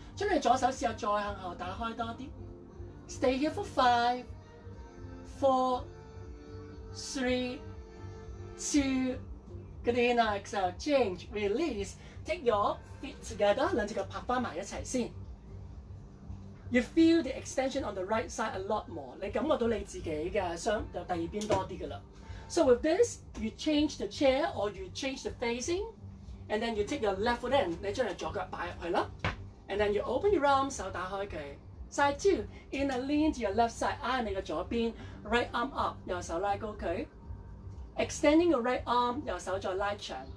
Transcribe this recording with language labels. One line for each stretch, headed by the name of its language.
Cantonese: 將你左手試下再向後打開多啲.
English: Stay here for 5, 4, 3, 2. Good inhale, exhale, change, release. Take your feet together,
Cantonese: 兩隻腳拍翻埋一齊先.
English: You feel the extension on the right side a lot more.
Cantonese: 你感覺到你自己嘅雙就第二邊多啲㗎啦.
English: So with this, you change the chair or you change the facing, and then you take your left foot in.
Cantonese: 你將你左腳擺入去啦.
English: And then you open your arms,
Cantonese: 手打開佢.
English: Side two, inhale, lean to your left side, eye on
Cantonese: 你的左邊.
English: Right arm up,
Cantonese: 右手拉高佢.
English: Extending your right arm,
Cantonese: 右手再拉長.